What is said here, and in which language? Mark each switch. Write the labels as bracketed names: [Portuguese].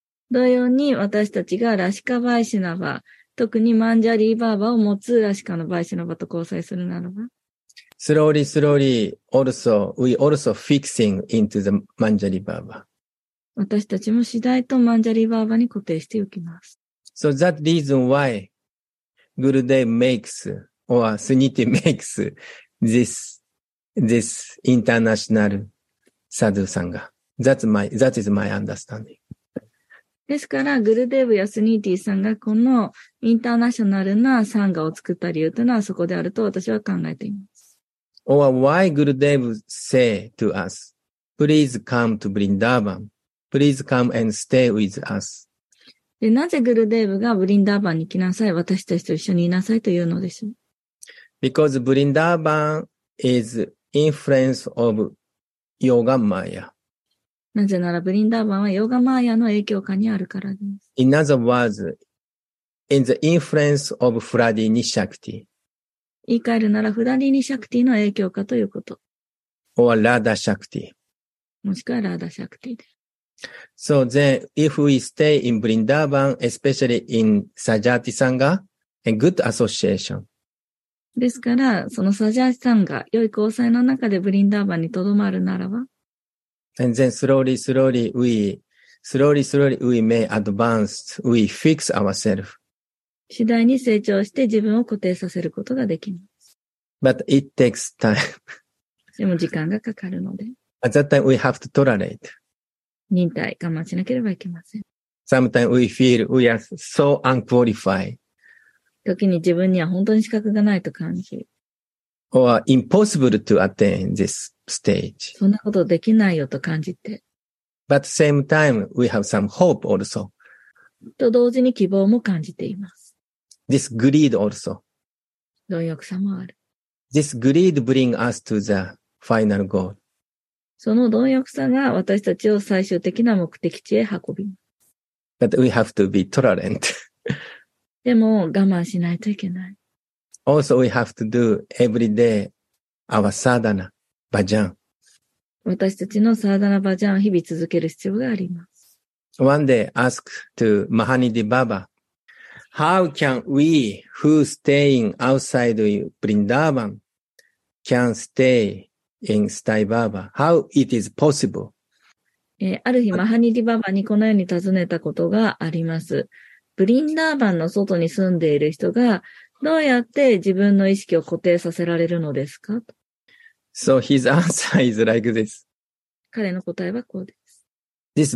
[Japanese] 同様に私たちがラシカバイシナバ、特にマンジャリーバーバを持つラシカのバイシナバと交際するならば。 [English] Slowly, slowly, also, we also fixing into the manjari baba. [Japanese] 私たちも次第とマンジャリーバーバに固定しておきます。 [English] So that reason why Gurudev makes or Suniti makes this international sadhu sangha. That is my understanding. [Japanese] ですから、グルデーブやスニーティーさんがこのインターナショナルなサンガを作った理由というのはそこであると私は考えています。 [English] Or why Gurudev say to us, please come to Vrindavan, please come and stay with us. [Japanese] で、なぜグルデーブがブリンダーバンに来なさい、私たちと一緒にいなさいというのでしょう。 [English] Because Vrindavan is influence of Yoga Maya. [Japanese] なぜならブリンダーバンはヨガマーヤの影響下にあるからです。 [English] In other words, in the influence of フラディニシャクティ。 [Japanese] 言い換えるならフラディニシャクティの影響下ということ。 [English] Or ラダシャクティ。 [Japanese] もしくはラダシャクティです [English] 。 So then, if we stay in ブリンダーバン、especially in サジャーティサンガ、a good association. [Japanese] ですから、そのサジャーティサンガ、良い交際の中でブリンダーバンに留まるならば、 [English] And then slowly, slowly, we may advance, we fix ourselves. [Japanese] 次第に成長して自分を固定させることができます。 [English] But it takes time. [Japanese] でも時間がかかるので。 [English] At that time, we have to tolerate. [Japanese] 忍耐、我慢しなければいけません。 [English] Sometimes we feel we are so unqualified. [Japanese] 時に自分には本当に資格がないと感じ。 [English] Or impossible to attain this stage. [Japanese] そんなことできないよと感じて。 [English] But same time, we have some hope also. [Japanese] と同時に希望も感じています。 [English] This greed also. [Japanese] 貪欲さもある。 [English] This greed bring us to the final goal. [Japanese] その貪欲さが私たちを最終的な目的地へ運びます。 [English] But we have to be tolerant. [Japanese] でも我慢しないといけない。 [English] Also, we have to do every day our sadhana, bhajan. [Japanese] 私たちのサーダナバジャンを日々続ける必要があります。 [English] One day, ask to Mahanidhi Baba, how can we who staying outside Vrindavan can stay in Stai Baba? How it is possible? [Japanese] ある日、マハニディババにこのように尋ねたことがあります。ブリンダーバンの外に住んでいる人が、どうやって自分の意識を固定させられるのですか？ [English] So his answer is like this. [Japanese] 彼の答えはこうです。